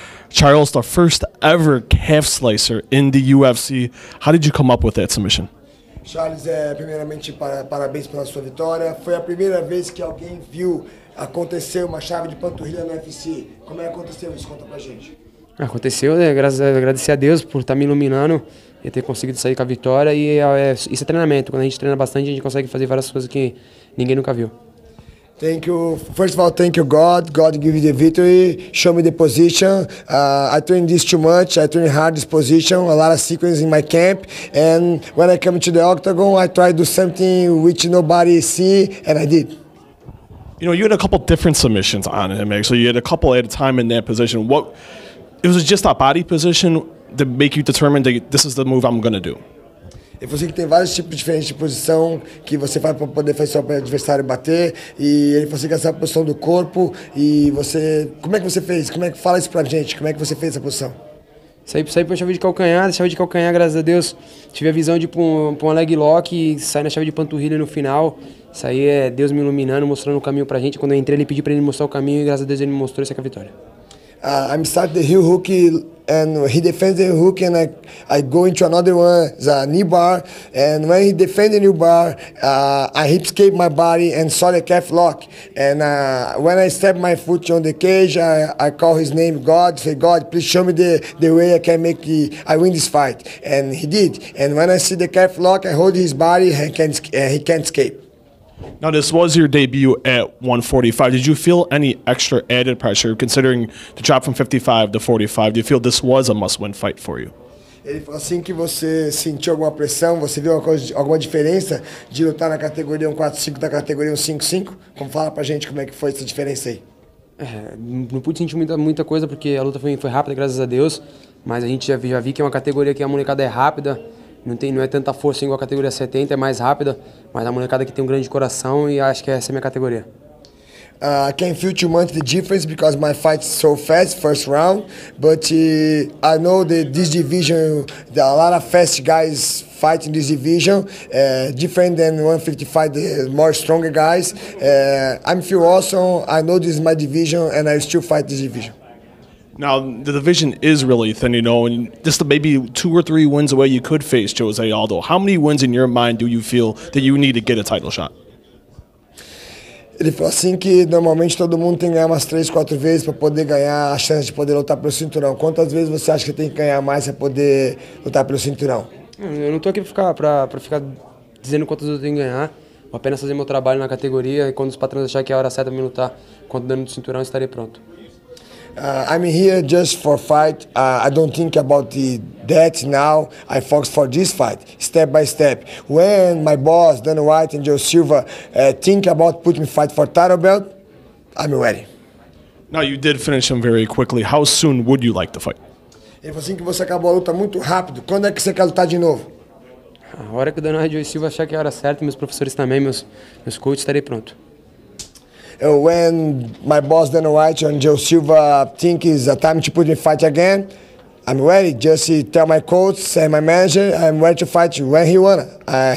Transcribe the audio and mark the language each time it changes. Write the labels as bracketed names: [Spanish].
[English] Charles, the first ever calf slicer in the UFC. How did you come up with that submission? [Portuguese] Charles, primeiramente, parabéns pela sua vitória. Foi a primeira vez que alguém viu acontecer uma chave de panturrilha no UFC. Como é que aconteceu isso? Conta pra gente. Aconteceu, né? Agradecer a Deus por estar me iluminando e ter conseguido sair com a vitória. E isso é treinamento. Quando a gente treina bastante, a gente consegue fazer várias coisas que ninguém nunca viu. [English] Thank you. First of all, thank you, God. God give you the victory. Show me the position. I trained this too much. I trained hard this position. A lot of sequence in my camp. And when I come to the octagon, I try to do something which nobody see, and I did. You know, you had a couple different submissions on him, actually. You had a couple at a time in that position. What it was just that body position that make you determine that this is the move I'm going to do? [Portuguese] Eu falei que tem vários tipos diferentes de posição que você faz para poder fazer seu adversário bater. E ele falou que essa é a posição do corpo. E você. Como é que você fez? Como é que fala isso pra gente? Como é que você fez essa posição? Saí pra chave de calcanhar. Chave de calcanhar, graças a Deus. Tive a visão de pôr uma leg lock e sair na chave de panturrilha no final. Isso aí é Deus me iluminando, mostrando o caminho pra gente. Quando eu entrei, ele pediu pra ele mostrar o caminho e graças a Deus ele me mostrou essa é a vitória. [English] I'm starting the heel hook and he defends the hook and I go into another one, the knee bar. And when he defends the knee bar, I hip escape my body and saw the calf lock. And when I step my foot on the cage, I call his name God. Say, God, please show me the way I can make I win this fight. And he did. And when I see the calf lock, I hold his body and he can't escape. Now, this was your debut at 145. Did you feel any extra added pressure considering the drop from 55 to 45? Do you feel this was a must-win fight for you? [Portuguese] Ele falou assim que você sentiu alguma pressão, você viu alguma diferença de lutar na categoria 145 da categoria 155? Como fala pra gente como é que foi essa diferença aí? Não pude sentir muita coisa porque a luta foi rápida, graças a Deus. Mas a gente já viu que é uma categoria que a molecada é rápida. Não é tanta força igual a categoria 70, é mais rápida, mas a molecada que tem grande coração e acho que essa é a minha categoria. [English] I can feel too much the difference because my fight's so fast first round, but I know that this division, there are a lot of fast guys fighting this division, different than 155, the more stronger guys. I feel awesome, I know this is my division and I still fight this division. Now, the division is really thin, you know, and just maybe two or three wins away, you could face Jose Aldo. How many wins in your mind do you feel that you need to get a title shot? [Portuguese] Ele falou assim que normalmente todo mundo tem que ganhar umas 3, 4 vezes para poder ganhar a chance de poder lutar pelo cinturão. Quantas vezes você acha que tem que ganhar mais para poder lutar pelo cinturão? Eu não estou aqui para ficar dizendo quantas vezes eu tenho que ganhar. Vou apenas fazer meu trabalho na categoria e quando os patrões acharem que é a hora certa de me lutar contra o dano do cinturão, eu estarei pronto. [English] I'm here just for fight. I don't think about that now. I focus for this fight, step by step. When my boss, Dana White and Joe Silva, think about putting me fight for title belt, I'm ready. Now, you did finish him very quickly. How soon would you like to fight? [Portuguese] Ele falou assim que você acabou a luta muito rápido. Quando é que você quer lutar de novo? A hora que o Dana White e o Silva achar que é a hora certa, meus professores também, meus coaches, estarei pronto. [English] When my boss Dana White and Joe Silva think it's a time to put me fight again, I'm ready. Just tell my coach and my manager I'm ready to fight you when he wanna.